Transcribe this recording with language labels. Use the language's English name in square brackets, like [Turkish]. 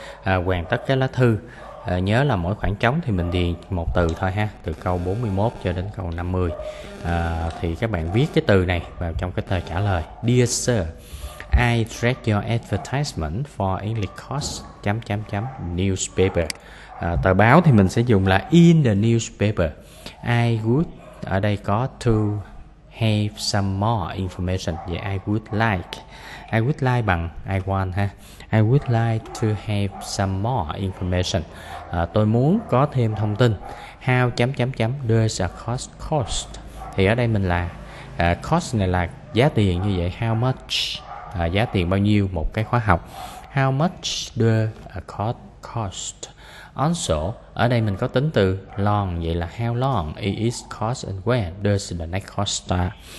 [Vietnamese] Hoàn tất cái lá thư, nhớ là mỗi khoảng trống thì mình điền một từ thôi ha, từ câu 41 cho đến câu 50. Thì các bạn viết cái từ này vào trong cái tờ trả lời. [English] Dear sir, I read your advertisement for English course newspaper. [Vietnamese] Tờ báo thì mình sẽ dùng là [English] in the newspaper. I would, [Vietnamese] ở đây có [English] to have some more information. Vậy I would like, I would like bằng I want ha. I would like to have some more information. [Vietnamese] Tôi muốn có thêm thông tin. [English] How does a course cost? [Vietnamese] Thì ở đây mình là cost này là giá tiền, như vậy [English] how much, [Vietnamese] giá tiền bao nhiêu một cái khóa học. [English] How much does a course cost? Also, [Vietnamese] ở đây mình có tính từ [English] long, [Vietnamese] vậy là [English] how long is course and when does the next course start?